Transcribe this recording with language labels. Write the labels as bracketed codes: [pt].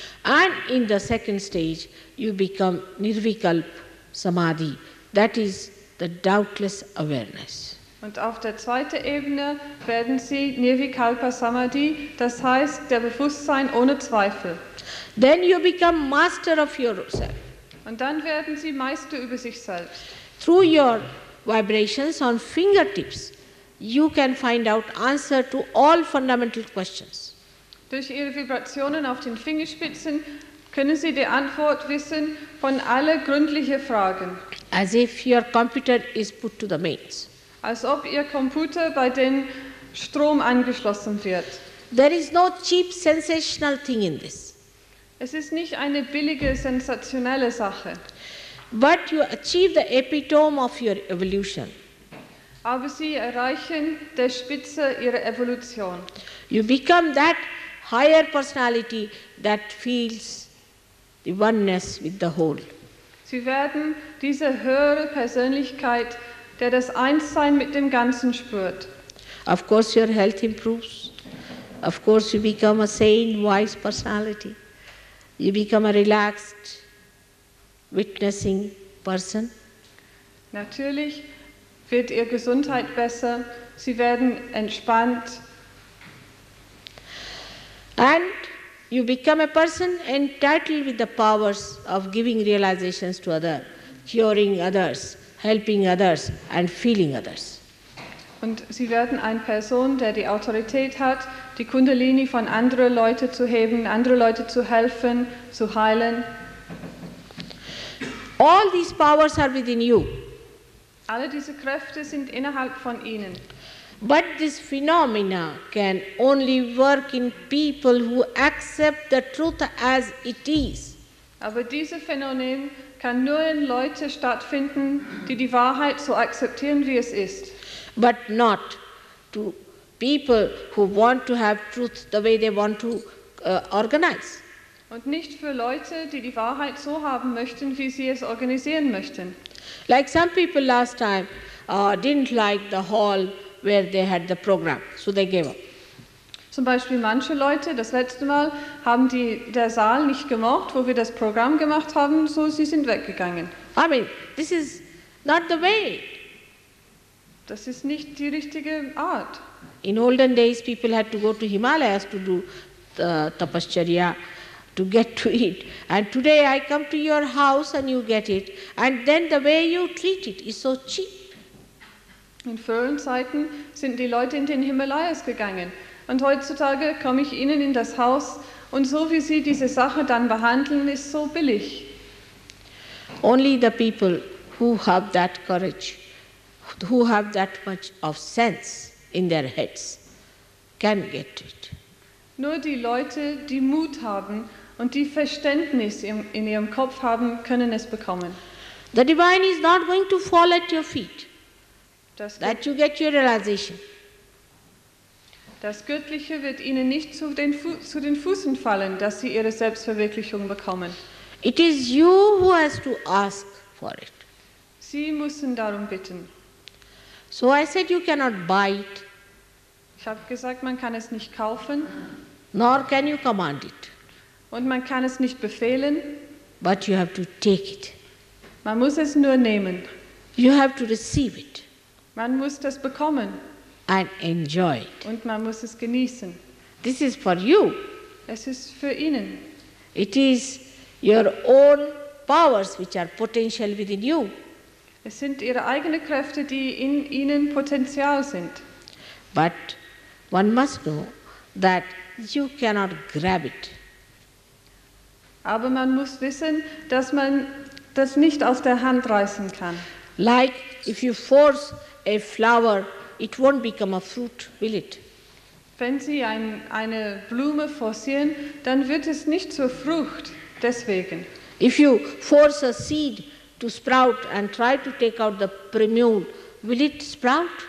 [en] And in the second stage, you become Nirvikalp Samadhi, that is the doubtless awareness. [de] Und auf der zweiten Ebene werden Sie Nirvikalpa Samadhi, das heißt der Bewusstsein ohne Zweifel. [en] Then you become master of yourself. [de] Und dann werden Sie Meister über sich selbst. [en] Through your vibrations on fingertips, you can find out answer to all fundamental questions. [de] Durch Ihre Vibrationen auf den Fingerspitzen können Sie die Antwort wissen von allen gründlichen Fragen. [en] As if your computer is put to the mains. [de] Als ob Ihr Computer bei dem Strom angeschlossen wird. [en] There is no cheap sensational thing in this. [de] Es ist nicht eine billige, sensationelle Sache. [en] But you achieve the epitome of your evolution. [de] Aber Sie erreichen der Spitze Ihrer Evolution. [en] You become that higher personality that feels the oneness with the whole. [de] Sie werden diese höhere Persönlichkeit, der das Einssein mit dem Ganzen spürt. [en] Of course your health improves. Of course you become a sane, wise personality. You become a relaxed, witnessing person. [de] Natürlich wird Ihre Gesundheit besser. Sie werden entspannt. [en] And you become a person entitled with the powers of giving realizations to others, curing others, helping others and feeling others. [de] Und Sie werden eine Person, der die Autorität hat, die Kundalini von anderen Leuten zu heben, andere Leute zu helfen, zu heilen. [en] All these powers are within you. [de] Alle diese Kräfte sind innerhalb von Ihnen. [en] But this phenomena can only work in people who accept the truth as it is. [de] Aber dieses Phänomen kann nur in Leuten stattfinden, die die Wahrheit so akzeptieren, wie es ist. [en] But not to people who want to have truth the way they want to organize. [de] Und nicht für Leute, die die Wahrheit so haben möchten, wie sie es organisieren möchten. [en] Like some people last time didn't like the hall where they had the program, so they gave up. [de] Zum Beispiel manche Leute, das letzte Mal, haben der Saal nicht gemocht, wo wir das Programm gemacht haben, so sie sind weggegangen. [en] I mean, this is not the way. [de] Das ist nicht die richtige Art. [en] In olden days, people had to go to Himalayas to do the tapascharya, to get to it. And today I come to your house and you get it. And then the way you treat it is so cheap. [de] In früheren Zeiten sind die Leute in den Himalayas gegangen. Und heutzutage komme ich ihnen in das Haus und so wie sie diese Sache dann behandeln, ist so billig. [en] Only the people who have that courage, who have that much of sense in their heads, can get it. [de] Nur die Leute, die Mut haben und die Verständnis in ihrem Kopf haben, können es bekommen. [en] The divine is not going to fall at your feet. That you get your realization. [de] Das Göttliche wird Ihnen nicht zu den Füßen fallen, dass Sie Ihre Selbstverwirklichung bekommen. [en] It is you who has to ask for it. [de] Sie müssen darum bitten. [en] So I said you cannot buy it. [de] Ich habe gesagt, man kann es nicht kaufen. [en] Nor can you command it. [de] Und man kann es nicht befehlen. [en] But you have to take it. [de] Man muss es nur nehmen. [en] You have to receive it. [de] Man muss das bekommen. [en] And enjoy it. [de] Und man muss es genießen. [en] This is for you. [de] Es ist für Ihnen. [en] It is your own powers which are potential within you. [de] Es sind Ihre eigenen Kräfte, die in Ihnen Potenzial sind. [en] But one must know that you cannot grab it. [de] Aber man muss wissen, dass man das nicht aus der Hand reißen kann. [en] Like if you force a flower, it won't become a fruit, will it? [de] Wenn Sie eine Blume forcieren, dann wird es nicht zur Frucht deswegen. [en] If you force a seed to sprout and try to take out the premium, will it sprout?